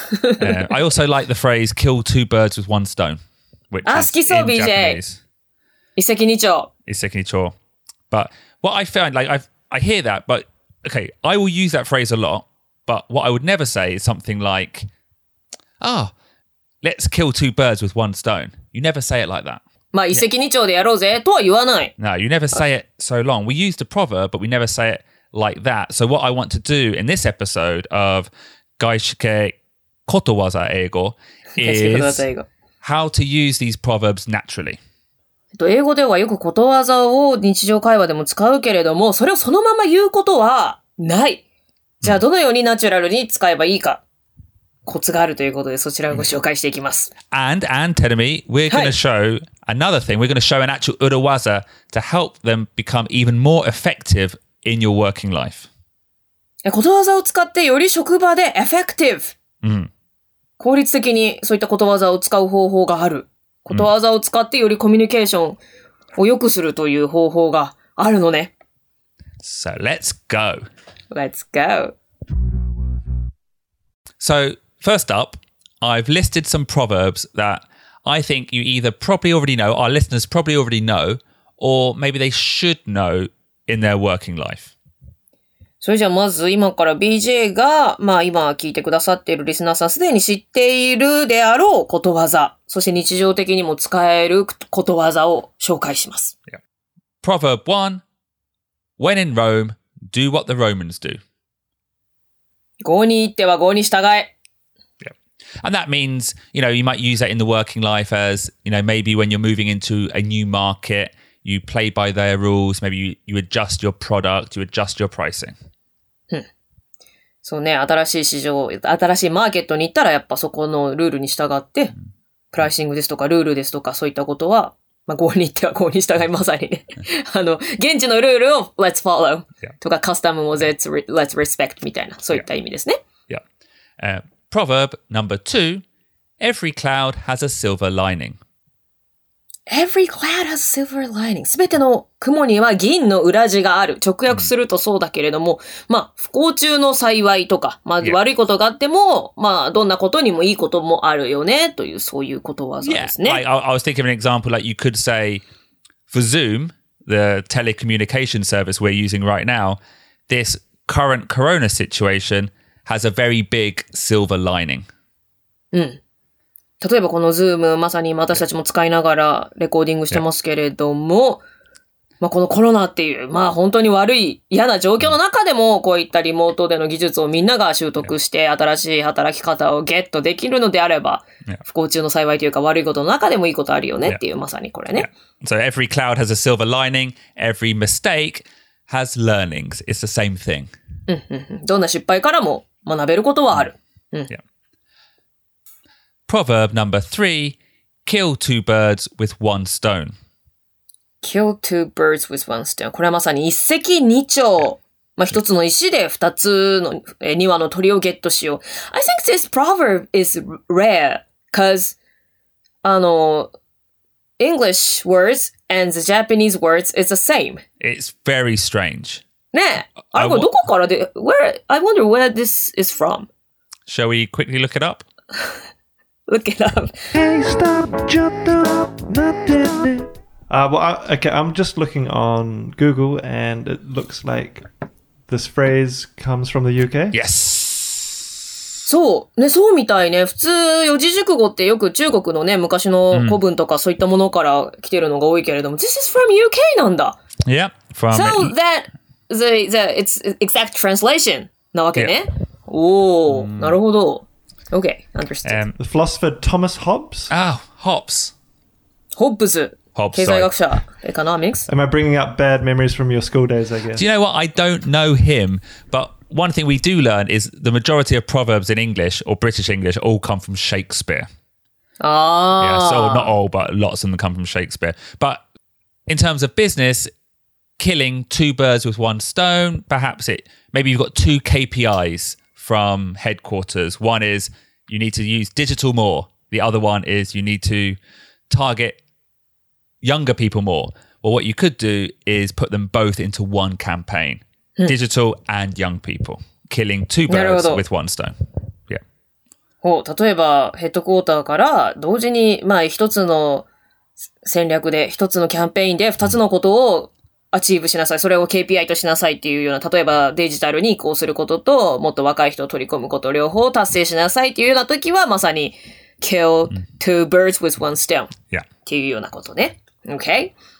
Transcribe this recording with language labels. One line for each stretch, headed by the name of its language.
English: I also like the phrase kill two birds with one stone, which is in Japanese.
Japanese: 一石二鳥.
English: But what I find, I hear that, but okay, I will use that phrase a lot, but what I would never say is something like, oh, let's kill two birds with one stone. You never say it like that.
Japanese: まあ、一石二鳥でやろうぜとは言わない。
English: No, you never say it so long. We use the proverb, but we never say it like that. So what I want to do in this episode of Gaishike Kotowaza Eigo is how to use these proverbs naturally.
Japanese: 英語ではよくことわざを日常会話でも使うけれども、それをそのまま言うことはない。じゃあどのようにナチュラルに使えばいいか。コツがあるということでそちらをご紹介していきます。
English: And Terumi, we're going to show another thing. We're going to show an actual urawaza to help them become even more effective in your working life.
Japanese: ことわざを使ってより職場でエフェクティブ。効率的にそういったことわざを使う方法がある。ことわざを使ってよりコミュニケーションを良くするという方法があるのね。
English: So let's go. Let's go. So,First up, I've listed some proverbs that I think you either probably already know, our listeners probably already know, or maybe they should know in their working life.
Japanese: それじゃあまず今から BJ が、まあ、今聞いてくださっているリスナーさんすでに知っているであろうことわざ、そして日常的にも使えることわざを紹介します。
English: Yeah. Proverb 1. When in Rome, do what the Romans do.
Japanese: 郷に行っては郷に従え。
English: And that means, you know, you might use that in the working life as, you know, maybe when you're moving into a new market, you play by their rules, maybe you adjust your product, you adjust your pricing.
Japanese: そうね、新しい市場、新しいマーケットに行ったらやっぱそこのルールに従って、プライシングですとかルールですとかそういったことは、まあ、郷に行っては郷に従いまさにね。現地のルールを
English: let's follow、 yeah.
Japanese: とかカスタムを
English: let's respect
Japanese: みたいな、そういった意味ですね。
English: Yeah. Yeah. Proverb number 2, every cloud has a silver lining. Every cloud has a silver lining.
Japanese: 全ての雲には銀の裏地がある。直訳するとそうだけれども、まあ、不幸中の幸いとか、まあ、悪いことがあっても、まあ、どんなことにもいいこともあるよね、というそういうことわざですね。
English: Yeah, I was thinking of an example, like you could say, for Zoom, the telecommunication service we're using right now, this current corona situation,has a very big silver lining.
Japanese: 例えばこの Zoom、まさに私たちも使いながらレコーディングしてますけれども、まあ、このコロナっていう、まあ、本当に悪い、嫌な状況の中でも、こういったリモートでの技術をみんなが習得して、新しい働き方をゲットできるのであれば、不幸中の幸いというか、悪いことの中でもいいことあるよねっていう、まさにこれね。
English: So every cloud has a silver lining, every mistake has learnings. It's the same thing.
Japanese: どんな失敗からも学べることはある。
English: Proverb number three, kill two birds with one stone. Kill two birds with one stone.
Japanese: これはまさに一石二鳥。まあ、一つの石で二つの2羽の鳥をゲットしよう。
English: I think this proverb is rare because, English words and the Japanese words is the same. It's very strange.
Japanese: ねえ。あれこれどこからで、
English: I wonder where this is from. Shall we quickly look it up? Look it up. Hey, stop, jump up, not dead. I'm just looking on Google, and it looks like this phrase comes from the UK. Yes.
Japanese: そうね、そうみたいね。普通四字熟語ってよく中国のね昔の古文とかそういったものから来てるのが多いけれども、
English: This is from UK
Japanese: なんだ。
English: Yeah, from. So that the it's exact translation
Japanese: なわけね。おお、なるほど。
English: Okay, understood. The philosopher Thomas Hobbes. Ah, Hobbes. Hobbes. Hobbes,
Japanese: 経済学者、economics.
English: Am I bringing up bad memories from your school days, I guess? Do you know what? I don't know him, but one thing we do learn is the majority of proverbs in English or British English all come from Shakespeare. Yeah, so not all, but lots of them come from Shakespeare. But in terms of business, killing two birds with one stone, perhaps maybe you've got two KPIs from headquarters. One is you need to use digital more. The other one is you need to target... younger people more. Well, what you could do is put them both into one campaign. Digital and young people. Killing two birds with one stone. Yeah.
Japanese: 例えばヘッドクォーターから同時に、まあ、一つの戦略で一つのキャンペーンで二つのことをアチーブしなさい。それを KPI としなさいっていうような例えばデジタルに移行することともっと若い人を取り込むこと両方達成しなさいっていうような時はまさに
English: kill two birds with one stone
Japanese: っていうようなことね。Okay.